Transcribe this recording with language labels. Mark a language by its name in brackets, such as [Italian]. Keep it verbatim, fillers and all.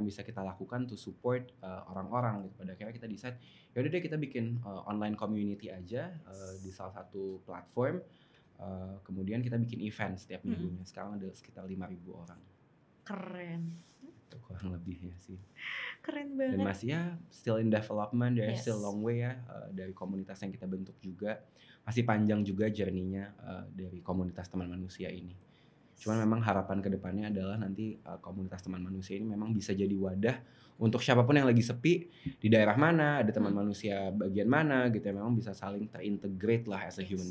[Indonesian] Apa yang bisa kita lakukan [English] to support [Indonesian] eh, orang-orang gitu. Pada akhirnya kita decide yaudah deh kita bikin eh, online community aja eh, di salah satu platform. Eh, kemudian kita bikin event setiap Mm-mm. minggunya. Sekarang ada sekitar lima ribu orang. Keren, Itu kurang lebihnya sih. keren Dan banget. masih ya [English] still in development, there's still Yes. long way [Indonesian] ya uh, dari komunitas yang kita bentuk juga masih panjang juga journey-nya uh, dari komunitas teman manusia ini. Cuman [English] Yes. [Indonesian] memang harapan kedepannya adalah nanti uh, komunitas teman manusia ini memang bisa jadi wadah untuk siapapun yang lagi sepi di daerah mana, ada teman Hmm. manusia bagian mana gitu ya, memang bisa saling terintegrate lah [English] as a human